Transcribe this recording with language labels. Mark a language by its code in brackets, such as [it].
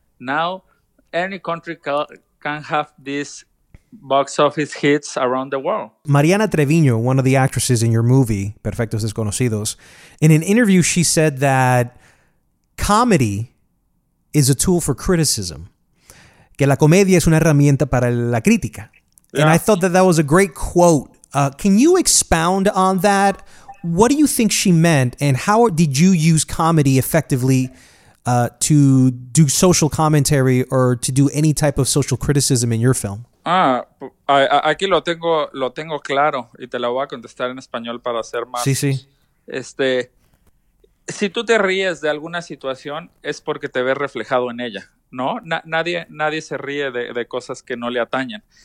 [en] Now any country can have this box office hits around the world. Mariana Treviño, one of the actresses in your movie, Perfectos Desconocidos, in an interview she said that comedy is a tool for criticism. [es] Que la comedia es una herramienta para la crítica. [en] Yeah. And I thought that that was a great quote. Can you expound on that? What do you think she meant? And how did you use comedy effectively to do social commentary or to do any type of social criticism in your film? [es] Ah, aquí lo tengo claro y te la voy a contestar en español para hacer más. Sí, sí. Si tú te ríes de alguna situación es porque te ves reflejado en ella, ¿no? Nadie se ríe de cosas que no le atañen.